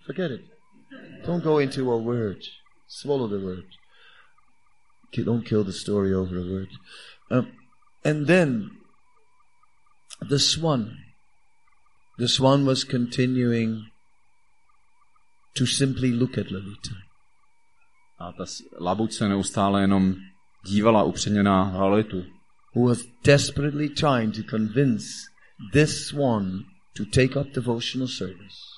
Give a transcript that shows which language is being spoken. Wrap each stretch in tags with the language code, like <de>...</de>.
<en>Forget it. Don't go into a word. Swallow the word. Don't kill the story over a word. And then the swan was continuing to simply look at Lalita.</en> <cs>A ta labuť se neustále jenom dívala upřeně na Lalitu.</cs> <en>Who was desperately trying to convince this swan to take up devotional service.</en>